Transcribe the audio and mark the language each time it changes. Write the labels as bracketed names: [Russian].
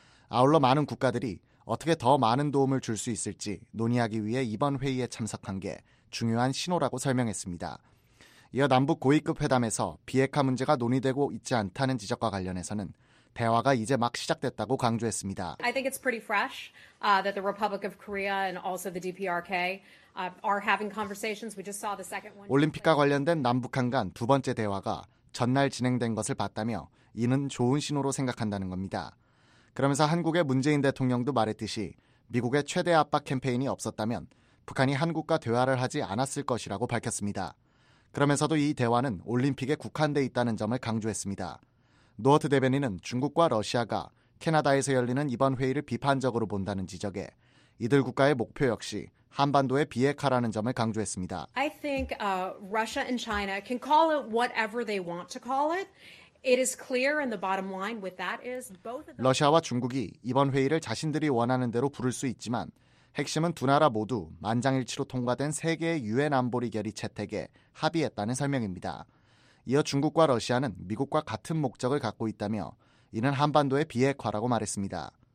[Korean] 아울러 많은 국가들이 어떻게 더 많은 도움을 줄 수 있을지 논의하기 위해 이번 회의에 참석한 게 중요한 신호라고 설명했습니다. 이어 남북 고위급 회담에서 비핵화 문제가 논의되고 있지 않다는 지적과 관련해서는 대화가 이제 막 시작됐다고 강조했습니다. [English] I think it's pretty fresh that the Republic of Korea and also the DPRK are having conversations. We just saw the second one. [Korean] 올림픽과 관련된 남북한 간 두 번째 대화가 전날 진행된 것을 봤다며 이는 좋은 신호로 생각한다는 겁니다. 그러면서 한국의 문재인 대통령도 말했듯이 미국의 최대 압박 캠페인이 없었다면 북한이 한국과 대화를 하지 않았을 것이라고 밝혔습니다. 그러면서도 이 대화는 올림픽에 국한돼 있다는 점을 강조했습니다. 노어트 대변인은 중국과 러시아가 캐나다에서 열리는 이번 회의를 비판적으로 본다는 지적에 이들 국가의 목표 역시 한반도의 비핵화라는 점을 강조했습니다. [English] I think Russia and China can call it whatever they want to call it. It is clear and the bottom line with that is both of them. [Korean] 러시아와 중국이 이번 회의를 자신들이 원하는 대로 부를 수 있지만 핵심은 두 나라 모두 만장일치로 통과된 세계의 유엔 안보리 결의 채택에 합의했다는 설명입니다. 이어 중국과 러시아는 미국과 같은 목적을 갖고 있다며 이는 한반도의 비핵화라고 말했습니다.